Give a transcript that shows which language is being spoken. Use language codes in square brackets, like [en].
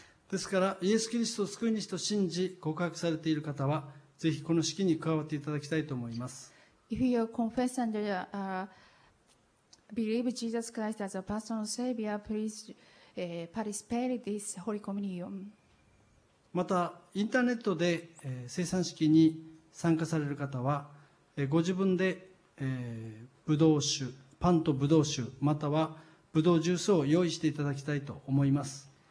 [ja] ですから、イエス・キリストを救い主と信じ告白されている方は、ぜひこの式に加わっていただきたいと思います。 [en] If you confess and believe Jesus Christ as a personal Savior, please participate in this Holy Communion. [ja] またインターネットで聖餐式に参加される方はご自分でブドウ酒、パンとブドウ酒またはブドウジュースを用意していただきたいと思います。